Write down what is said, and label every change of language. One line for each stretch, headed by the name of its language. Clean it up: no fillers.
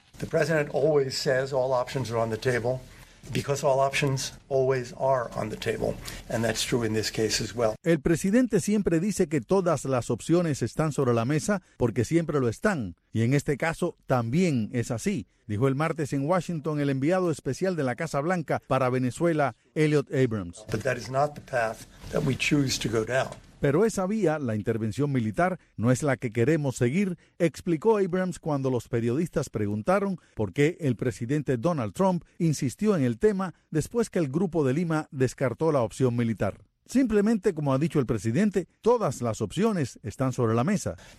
English: The president always says all options are on the table because all options always are on the table, and that's true in this case as well.
Spanish: El presidente siempre dice que todas las opciones están sobre la mesa porque siempre lo están, y en este caso también es así, dijo el martes en Washington el enviado especial de la Casa Blanca para Venezuela, Elliot Abrams.
English: But that is not the path that we choose to go down.
Spanish: Pero esa vía, la intervención militar, no es la que queremos seguir, explicó Abrams cuando los periodistas preguntaron por qué el presidente Donald Trump insistió en el tema después que el Grupo de Lima descartó la opción militar. Simplemente, como ha dicho el presidente, todas las opciones están sobre la mesa.